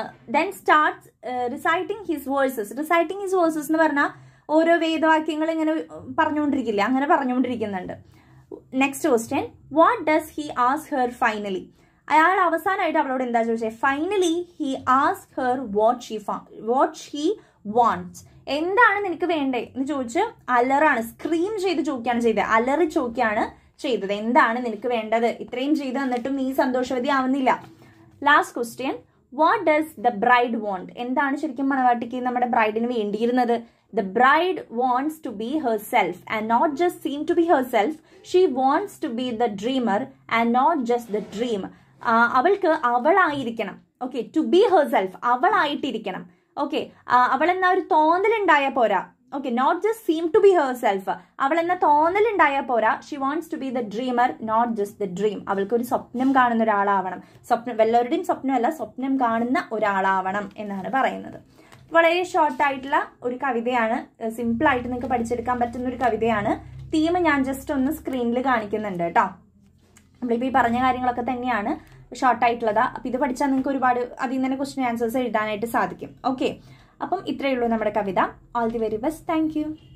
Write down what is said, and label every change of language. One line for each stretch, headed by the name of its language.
English: then start reciting his verses
Malayalam: എന്ന് പറഞ്ഞാൽ ഓരോ വേദവാക്യങ്ങൾ ഇങ്ങനെ പറഞ്ഞുകൊണ്ടിരിക്കില്ല അങ്ങനെ പറഞ്ഞുകൊണ്ടിരിക്കുന്നുണ്ട്
English: next question what does he ask her finally
Malayalam: അയാൾ അവസാനമായിട്ട് അവളോട് എന്താ ചോദിച്ചത്
English: finally he ask her what he wants
Malayalam: എന്താണ് നിനക്ക് വേണ്ടേ എന്ന് ചോദിച്ച് അലറാണ് സ്ക്രീം ചെയ്ത് ചോദിക്കുകയാണ് ചെയ്തത് അലറി ചോദിക്കുകയാണ് ചെയ്തത് എന്താണ് നിനക്ക് വേണ്ടത് ഇത്രയും ചെയ്ത് തന്നിട്ടും നീ സന്തോഷവതി ആവുന്നില്ല
English: last question what does the bride want
Malayalam: എന്താണ് ശരിക്കും മണവാട്ടിക്ക് നമ്മുടെ ബ്രൈഡിന് വേണ്ടിയിരുന്നത്
English: The bride wants to be herself and not just seem to be herself. She wants to be the dreamer and not just the dream.
Malayalam: അവൾക്ക് അവളായിരിക്കണം. Okay,
English: to be herself.
Malayalam: അവളായിട്ടിരിക്കണം. Okay, അവളെന്ന ഒരു തോന്നലുണ്ടായ പോരാ.
English: Okay, not just seem to be herself.
Malayalam: അവളെന്ന തോന്നലുണ്ടായ പോരാ.
English: She wants to be the dreamer, not just the dream.
Malayalam: അവൾക്കൊരു സ്വപ്നം കാണുന്ന ഒരാളാവണം. സ്വപ്നം എല്ലാവരുടെയും സ്വപ്നമല്ല, സ്വപ്നം കാണുന്ന ഒരാളാവണം എന്നാണ് പറയുന്നത്. വളരെ ഷോർട്ടായിട്ടുള്ള ഒരു കവിതയാണ് സിമ്പിളായിട്ട് നിങ്ങൾക്ക് പഠിച്ചെടുക്കാൻ പറ്റുന്ന ഒരു കവിതയാണ് തീം ഞാൻ ജസ്റ്റ് ഒന്ന് സ്ക്രീനിൽ കാണിക്കുന്നുണ്ട് കേട്ടോ നമ്മളിപ്പോൾ ഈ പറഞ്ഞ കാര്യങ്ങളൊക്കെ തന്നെയാണ് ഷോർട്ടായിട്ടുള്ളത് അപ്പം ഇത് പഠിച്ചാൽ നിങ്ങൾക്ക് ഒരുപാട് അതിൽ നിന്ന് തന്നെ ക്വസ്റ്റ്യൻ ആൻസേഴ്സ് എഴുതാനായിട്ട് സാധിക്കും ഓക്കെ അപ്പം ഇത്രയേ ഉള്ളൂ നമ്മുടെ കവിത
English: all the very best thank you